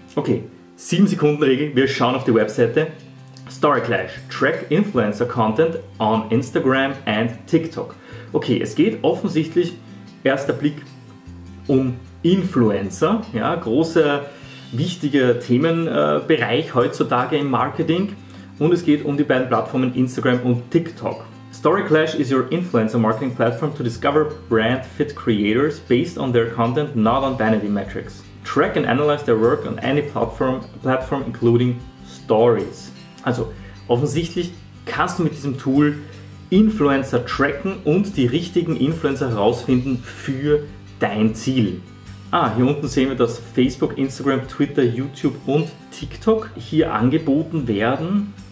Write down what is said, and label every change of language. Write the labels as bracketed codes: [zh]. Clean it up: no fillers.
[de] Okay, 7 Sekunden Regel, wir schauen auf die Webseite. Story Clash, [en] track Influencer Content on Instagram and TikTok. [de] Okay, es geht offensichtlich, erster Blick, um Influencer. Ja, großer, wichtiger Themenbereich heutzutage im Marketing. Und es geht um die beiden Plattformen Instagram und TikTok. [en] Story Clash is your influencer marketing platform to discover brand fit creators based on their content, not on vanity metrics. Track and analyze their work on any platform including Stories. [de] Also, offensichtlich kannst du mit diesem Tool Influencer tracken und die richtigen Influencer herausfinden für dein Ziel. Ah, hier unten sehen wir, dass Facebook, Instagram, Twitter, YouTube und TikTok hier angeboten werden.